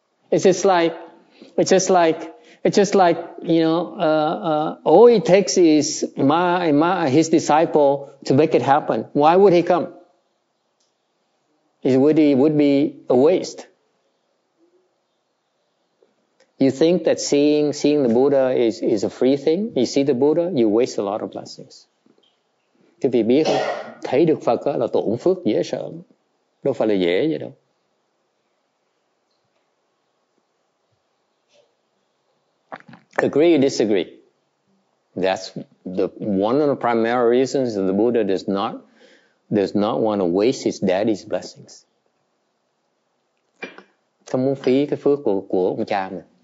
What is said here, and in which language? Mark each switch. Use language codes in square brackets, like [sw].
[en] It's just like, you know, all it takes is his disciple to make it happen. Why would he come? It would be a waste. You think that seeing the Buddha is a free thing? You see the Buddha, you waste a lot of blessings. [vi] Thì vì biết không? Thấy được Phật là tổn phước dễ sợ. Đâu phải là dễ vậy đâu. [en] Agree or disagree? That's the one of the primary reasons that the Buddha does not want to waste his daddy's blessings. [vi] Không muốn phí cái phước của ông cha mình.